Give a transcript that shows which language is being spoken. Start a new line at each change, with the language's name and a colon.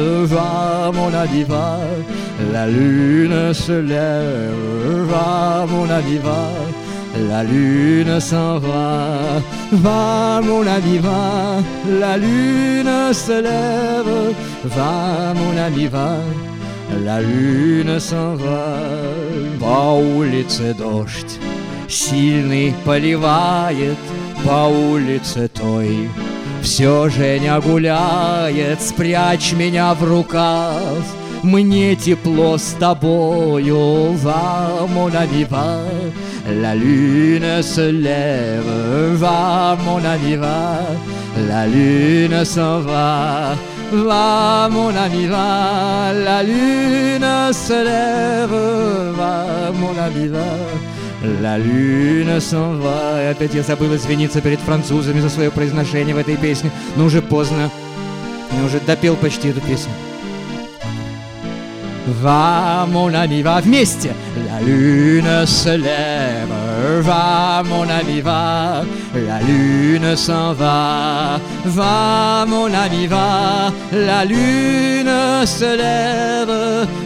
French: Va, mon ami, va, la lune se lève. Va, mon ami, va, la lune s'en va. Va, mon ami, va, la lune se lève. Va, mon ami, va, la lune s'en va.
Russian: По улице дождь сильный поливает, по улице той все Женя гуляет. Спрячь меня в рукав, мне тепло с тобою.
French: Va, mon ami, va, la lune se lève. Va, mon ami, va, la lune s'en va. Va, mon ami, va, la lune se lève. Va, mon ami, va, la lune s'en va.
Russian: И опять я забыл извиниться перед французами за свое произношение в этой песне. Но уже поздно. Я уже допел почти эту песню.
French: Va, mon ami, va,
Russian: вместе.
French: La lune se lève. Va, mon ami, va, la lune s'en va. Va, mon ami, va, la lune se lève.